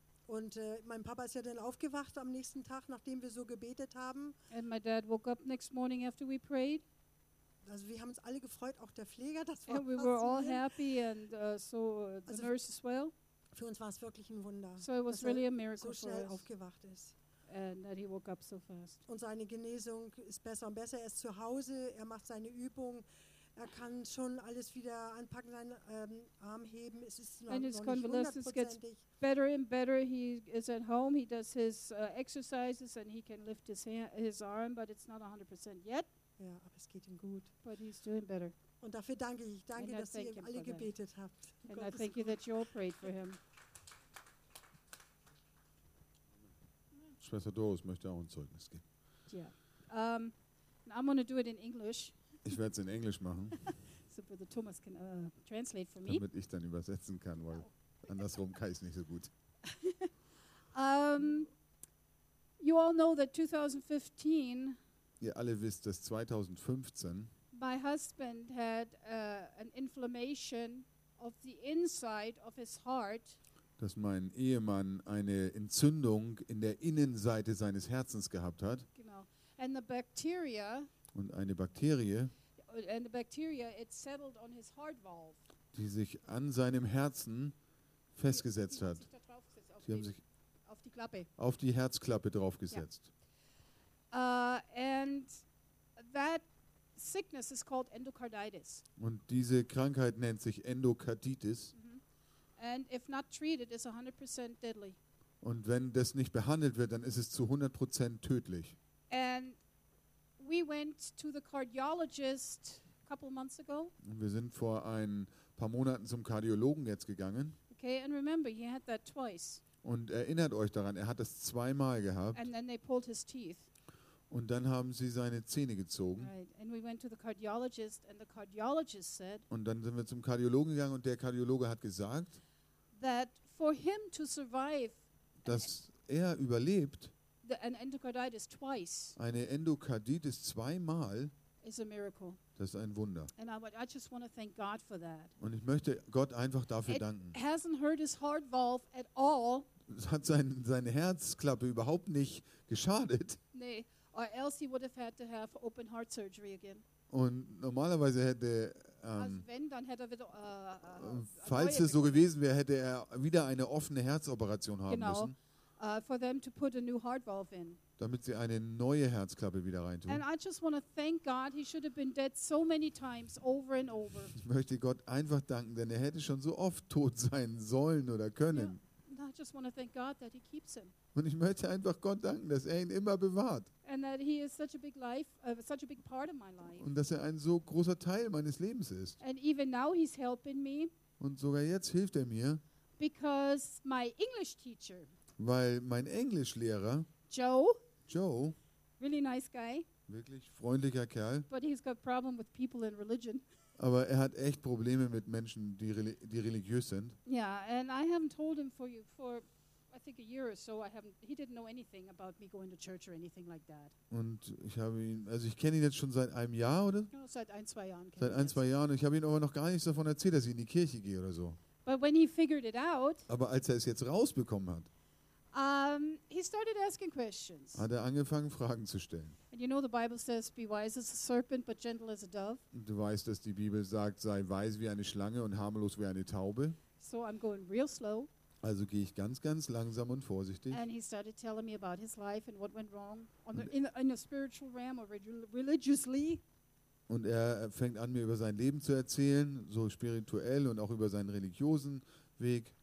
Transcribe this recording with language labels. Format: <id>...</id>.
<de>Und mein Papa ist ja dann aufgewacht am nächsten Tag, nachdem wir so gebetet haben.</de> <en>And my dad woke up next morning after we prayed.</en> <de>Also wir haben uns alle gefreut, auch der Pfleger, das war</de> <en>and we were all happy and so the also nurse as well.</en> <de>Für uns war es wirklich ein Wunder.</de> <en>So it was</en> <de>dass</de> <en>really a miracle</en> <de>so schnell</de> <en>for us.</en> <de>Aufgewacht ist.</de> <en>And that he woke up so fast.</en> <de>Und seine Genesung ist besser und besser. Er ist zu Hause, er macht seine Übung. Er kann schon alles wieder anpacken, seinen Arm heben. Es ist noch nicht hundertprozentig.</de> <en>Gets better and better. He is at home. He does his exercises and he can lift his arm, but it's not 100% yet.</en> <de>Ja, aber es geht ihm gut.</de> <en>But he's doing better.</en> <de>Und dafür danke ich. Danke, dass ihr alle gebetet that. Habt.</de> <en>And Gott I thank you that you all prayed for him.</en> <de>Schwester Doris möchte auch ein Zeugnis geben.</de> <en>Yeah. I'm going to do it in English.</en> <de>Ich werde es in Englisch machen,</de> <en>so, but the Thomas can, translate for me.</en> <de>Damit ich dann übersetzen kann, weil andersrum kann ich es nicht so gut.</de> <en>You all know that 2015.</en> <de>Ihr alle wisst, dass 2015.</de> <en>My husband had an inflammation of the inside of his heart.</en> <de>Dass mein Ehemann eine Entzündung in der Innenseite seines Herzens gehabt hat.</de> <en>Genau. And the bacteria.</en> <de>Und eine Bakterie,</de> <en>and the bacteria, it settled on his heart valve.</en> <de>Die sich an seinem Herzen festgesetzt hat. Sie haben sich auf die Klappe. Auf die Herzklappe draufgesetzt.</de> <en>Yeah. And that sickness is called endocarditis.</en> <de>Und diese Krankheit nennt sich Endokarditis.</de> <en>Mm-hmm. And if not treated, it's 100% deadly.</en> <de>Und wenn das nicht behandelt wird, dann ist es zu 100% tödlich.</de> <en>And we went to the cardiologist a couple months ago.</en> <de>Wir sind vor ein paar Monaten zum Kardiologen jetzt gegangen.</de> <en>Okay, and remember, he had that twice.</en> <de>Und erinnert euch daran, er hat das zweimal gehabt.</de> <en>And then they pulled his teeth.</en> <de>Und dann haben sie seine Zähne gezogen.</de> <en>Right. And we went to the cardiologist and the cardiologist said.</en> <de>Und dann sind wir zum Kardiologen gegangen und der Kardiologe hat gesagt,</de> <en>that for him to survive,</en> <de>dass er überlebt.</de> <en>An endocarditis twice.</en> <de>Eine Endokarditis zweimal.</de> <en>Is a miracle.</en> <de>Das ist ein Wunder.</de> <en>And I just want to thank God for that.</en> <de>Und ich möchte Gott einfach dafür danken.</de> <en>It hasn't hurt his heart valve at all.</en> <de>Es hat seine Herzklappe überhaupt nicht geschadet.</de> <en>Nee, or else he would have had to have open heart surgery again.</en> <de>Und normalerweise hätte also wenn, dann hätte er wieder, falls es so gewesen wäre, hätte er wieder eine offene Herzoperation haben genau. müssen.</de> <en>For them to put a new heart valve in.</en> <de>Damit sie eine neue Herzklappe wieder reintun.</de> <en>And I just want to thank God. He should have been dead so many times, over and over.</en> <de>Ich möchte Gott einfach danken, denn er hätte schon so oft tot sein sollen oder können.</de> <en>Yeah. And I just want to thank God that He keeps him.</en> <de>Und ich möchte einfach Gott danken, dass er ihn immer bewahrt.</de> <en>And that He is such a big life, such a big part of my life.</en> <de>Und dass er ein so großer Teil meines Lebens ist.</de> <en>And even now He's helping me.</en> <de>Und sogar jetzt hilft er mir.</de> <en>Because my English teacher.</en> <de>Weil mein Englischlehrer</de> <en>Joe, really nice guy,</en> <de>wirklich freundlicher Kerl,</de> <en>but he's got problem with people and religion.</en> <de>Aber er hat echt Probleme mit Menschen, die religiös sind.</de> <en>Yeah, and I haven't told him for I think a year or so. He didn't know anything about me going to church or anything like that.</en> <de>Und ich habe ihn, also ich kenne ihn jetzt schon seit einem Jahr, oder? No, seit ein, zwei Jahren. Seit ein, zwei Jahren. Ich habe ihm aber noch gar nichts davon erzählt, dass ich in die Kirche gehe oder so.</de> <en>But when he figured it out,</en> <de>aber als er es jetzt rausbekommen hat,</de> <en>he started asking questions.</en> <de>Hat er angefangen, Fragen zu stellen.</de> <en>And you know the Bible says, be wise as a serpent, but gentle as a dove.</en> <de>Du weißt, dass die Bibel sagt, sei weise wie eine Schlange und harmlos wie eine Taube.</de> <en>So I'm going real slow.</en> <de>Also gehe ich ganz, ganz langsam und vorsichtig.</de> <en>And he started telling me about his life and what went wrong in a spiritual realm or religiously.</en> <de>Und er fängt an, mir über sein Leben zu erzählen, so spirituell und auch über seinen religiösen Weg.</de>